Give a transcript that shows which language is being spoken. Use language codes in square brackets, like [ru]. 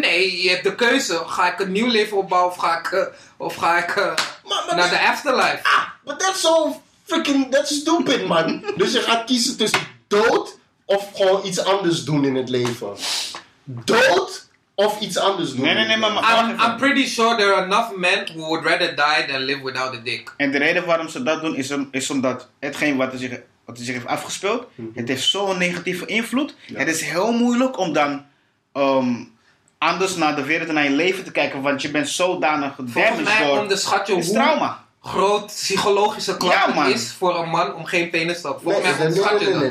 [nl] Nee, je hebt de keuze. Ga ik een nieuw leven opbouwen of ga ik naar de afterlife? [en] Ah, but that's so freaking... That's stupid, man. [nl] Dus je gaat kiezen tussen dood... Of gewoon iets anders doen in het leven. Dood of iets anders doen. Nee, maar [en] I'm pretty sure there are enough men who would rather die than live without a dick. [nl] En de reden waarom ze dat doen is omdat hetgeen wat er zich heeft afgespeeld, mm-hmm, het heeft zo'n negatieve invloed. Ja. Het is heel moeilijk om dan anders naar de wereld en naar je leven te kijken, want je bent zodanig damaged door... Volgens mij onderschat je trauma. Groot psychologische klap is voor een man om geen penis te hebben.